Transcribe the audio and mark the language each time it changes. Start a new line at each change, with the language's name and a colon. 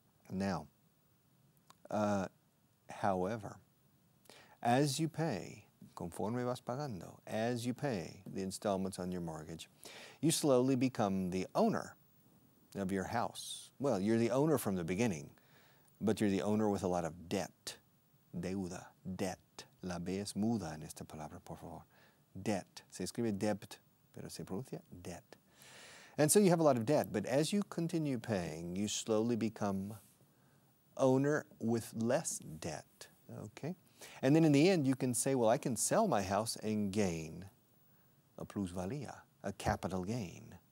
English: Now, however, as you pay,
Spanish: conforme vas pagando,
English: as you pay the installments on your mortgage, you slowly become the owner of your house. Well, you're the owner from the beginning, but you're the owner with a lot of debt. Deuda, debt.
Spanish: La B es muda en esta palabra, por favor. Debt. Se escribe debt, pero se pronuncia debt.
English: And so you have a lot of debt, but as you continue paying, you slowly become owner with less debt, okay? And then in the end, you can say, well, I can sell my house and gain a plusvalía, a capital gain.